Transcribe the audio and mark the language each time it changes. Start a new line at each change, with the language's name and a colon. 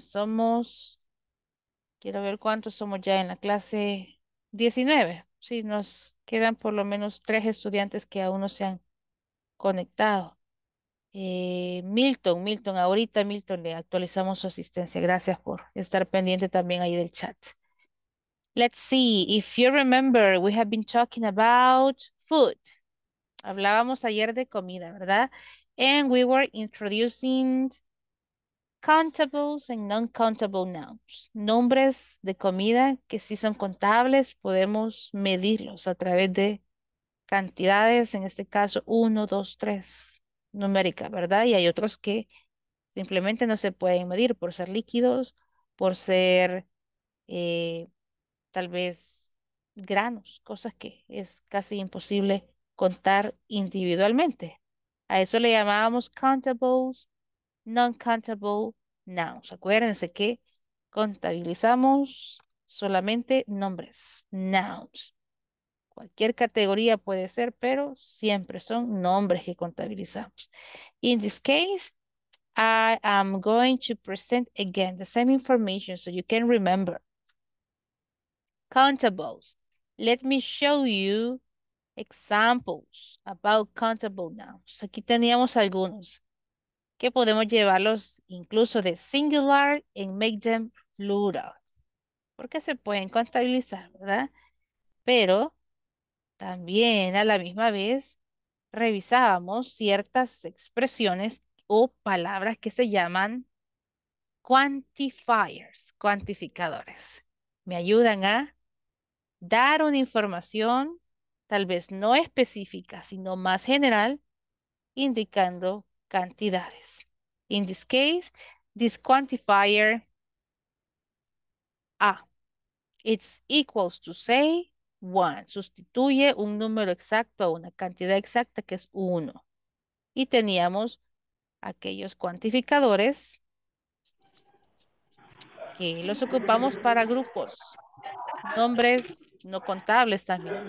Spanish: Somos, quiero ver cuántos somos ya en la clase 19. Sí, nos quedan por lo menos 3 estudiantes que aún no se han conectado. Milton, ahorita Milton, le actualizamos su asistencia. Gracias por estar pendiente también ahí del chat.
English: Let's see, if you remember, we have been talking about food.
Spanish: Hablábamos ayer de comida, ¿verdad?
English: And we were introducing countables and non-countable nouns.
Spanish: Nombres de comida que sí son contables, podemos medirlos a través de cantidades, en este caso, 1, 2, 3, numérica, ¿verdad? Y hay otros que simplemente no se pueden medir por ser líquidos, por ser... tal vez granos, cosas que es casi imposible contar individualmente. A eso le llamábamos countables, non-countable nouns. Acuérdense que contabilizamos solamente nombres, nouns. Cualquier categoría puede ser, pero siempre son nombres que contabilizamos.
English: In this case, I am going to present again the same information so you can remember. Countables. Let me show you examples about countable nouns.
Spanish: Aquí teníamos algunos que podemos llevarlos incluso de singular
English: and make them plural.
Spanish: Porque se pueden contabilizar, ¿verdad? Pero también a la misma vez revisábamos ciertas expresiones o palabras que se llaman quantifiers, cuantificadores. Me ayudan a dar una información, tal vez no específica, sino más general, indicando cantidades.
English: In this case, this quantifier, it's equals to say one.
Spanish: Sustituye un número exacto a una cantidad exacta que es uno. Y teníamos aquellos cuantificadores que los ocupamos para grupos, nombres, no contables también.